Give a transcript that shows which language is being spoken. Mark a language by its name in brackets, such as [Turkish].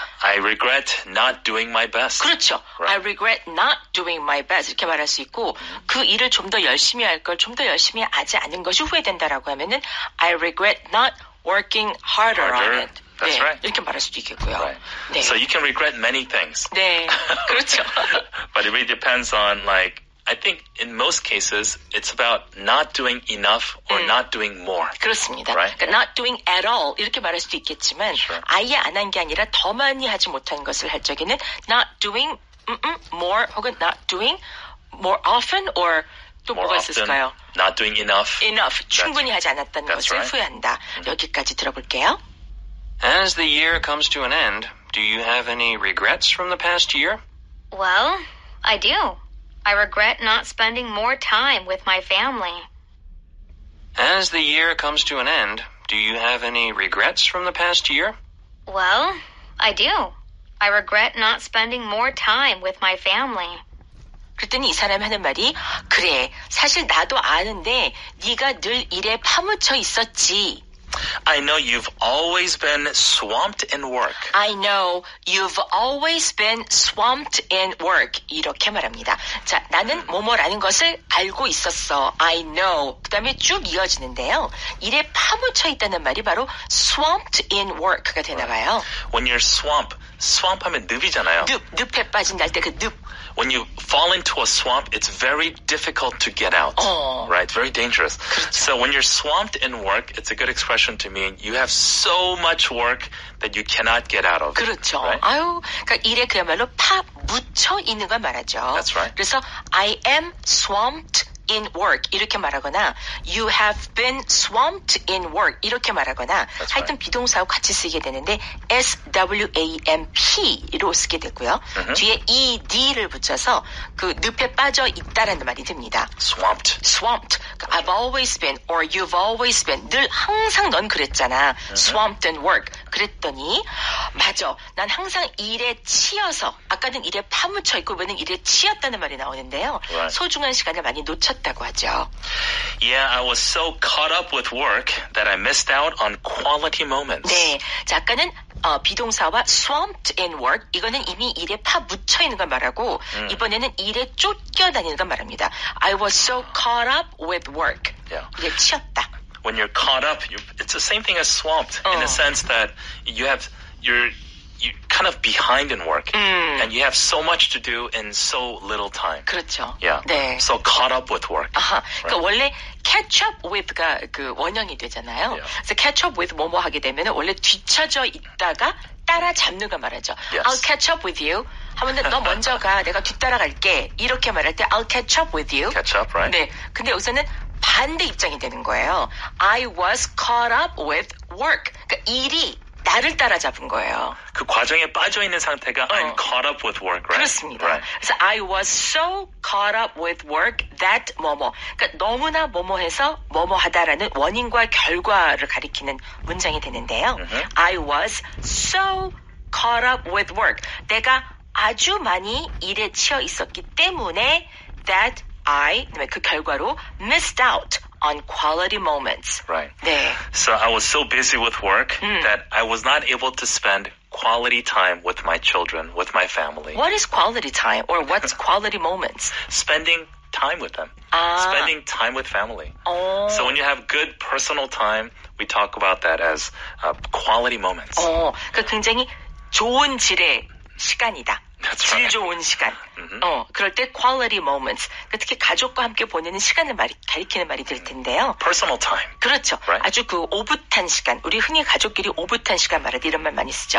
[English] I regret not doing my best. [Korean] 그렇죠. [English] Right. I regret not doing my best. [Korean] 이렇게 말할 수 있고 그 일을 좀 더 열심히 할 걸 좀 더 열심히 하지 않은 것이 후회된다라고 하면은 [English] I regret not working harder, harder. On it. That's [Korean] 네, [English] right. [Korean] 이렇게 말할 수도 있겠고요. [English] Right. [Korean] 네. [English] So you can regret many things. [Korean] 네. 그렇죠. [English] But it really depends on like I think in most cases it's about not doing enough or not doing more. [Korean] 그렇습니다. [English] Right? [Korean] 그러니까 [English] not doing at all [Korean] 이렇게 말할 수도 있겠지만 [English] sure. [Korean] 아예 안 한 게 아니라 더 많이 하지 못한 것을 할 적에는 [English] not doing more [Korean] 혹은 [English] not doing more often or [Korean] 또 [English] more [Korean] 뭐가 [English] often, [Korean] 있을까요? [English] Not doing enough. [Korean] Enough. 충분히 하지 않았다는 [English] that's [Korean] 것을 [English] right. [Korean] 후회한다. Mm-hmm. 여기까지 들어볼게요. [English] As the year comes to an end, do you have any regrets from the past year? Well, I do. I regret not spending more time with my family. As the year comes to an end, do you have any regrets from the past year? Well, I do. I regret not spending more time with my family. [Korean] 그랬더니 이 사람 하는 말이 그래, 사실 나도 아는데 네가 늘 일에 파묻혀 있었지. [English] I know you've always been swamped in work. I know you've always been swamped in work. [Korean] 이렇게 말합니다. 자, 나는 뭐뭐라는 것을 알고 있었어. [English] I know. [Korean] 그 다음에 쭉 이어지는데요. 일에 파묻혀 있다는 말이 바로 swamped in work가 되나 봐요. [English] When you're swamp [Korean] 하면 늪이잖아요. 늪에 빠진다 할 때 그 늪. [English] When you fall into a swamp, it's very difficult to get out, right? Very dangerous. [Korean] 그렇죠. [English] So when you're swamped in work, it's a good expression to mean you have so much work that you cannot get out of. [Korean] 그렇죠. [English] It, right? [Korean] 아유, 그러니까 일에 그야말로 파묻혀 있는 걸 말하죠. [English] That's right. [Korean] 그래서 [English] I am swamped in work [Korean] 이렇게 말하거나 [English] you have been swamped in work 이렇게 말하거나 That's [Korean] 하여튼 [English] right. [Korean] 비동사와 같이 쓰게 되는데 swamp로 쓰게 되고요. Mm-hmm. 뒤에 ed를 붙여서 그 늪에 빠져 있다라는 말이 됩니다. [English] Swamped. I've always been or you've always been [Korean] 늘 항상 넌 그랬잖아. Mm-hmm. [English] Swamped in work. [Korean] 그랬더니 맞아. 난 항상 일에 치여서 아까는 일에 파묻혀 있고 이번엔 일에 치였다는 말이 나오는데요. [English] Right. [Korean] 소중한 시간을 많이 놓 [English] Yeah, I was so caught up with work that I missed out on quality moments. [Korean] 네, 자, 아까는 비동사와 [English] swamped in work, [Korean] 이거는 이미 일에 파묻혀 있는 걸 말하고 이번에는 일에 쫓겨다니는 걸 말합니다. [English] I was so caught up with work. Yeah. [Korean] 일에 치였다. [English] When you're caught up, it's the same thing as swamped in the sense that you're kind of behind in work and you have so much to do in so little time. [Korean] 그렇죠. [English] Yeah. [Korean] 네. [English] So caught up with work. [Korean] 아하. Right? 그러니까 원래 catch up with가 그 원형이 되잖아요. [English] Yeah. [Korean] 그래서 catch up with 뭐뭐 하게 되면은 원래 뒤쳐져 있다가 따라잡는 거 말하죠. [English] Yes. I'll catch up with you. [Korean] 하면은 너 먼저 가. 내가 뒤따라갈게. 이렇게 말할 때 [English] I'll catch up with you. Catch up, right? [Korean] 네. 근데 여기서는 반대 입장이 되는 거예요. [English] I was caught up with work. [Korean] 그러니까 일이 나를 따라잡은 거예요. 그 과정에 빠져 있는 상태가 [English] I'm caught up with work, right? [Korean] 그렇습니다. [English] Right. [Korean] 그래서 [English] I was so caught up with work that [Korean] 뭐뭐. 그러니까 너무나 뭐뭐해서 뭐뭐하다라는 원인과 결과를 가리키는 문장이 되는데요. Mm-hmm. [English] I was so caught up with work. [Korean] 내가 아주 많이 일에 치여 있었기 때문에 [English] that I [Korean] 그 결과로 [English] missed out. On quality moments. Right. [Korean] 네. [English] So I was so busy with work that I was not able to spend quality time with my children, with my family. What is quality time or what's quality moments? Spending time with them. Ah. Spending time with family. Oh. So when you have good personal time, we talk about that as quality moments. [Korean] Oh. 그 굉장히 좋은 질의 시간이다. [English] That's right. [Korean] 질 좋은 시간. Mm-hmm. 그럴 때 quality moments. 특히 가족과 함께 보내는 시간을 가리키는 말이 될 텐데요. [English] Personal time. [Korean] 그렇죠. [English] Right? [Korean] 아주 그 오붓한 시간. 우리 흔히 가족끼리 오붓한 시간 말하듯 이런 말 많이 쓰죠.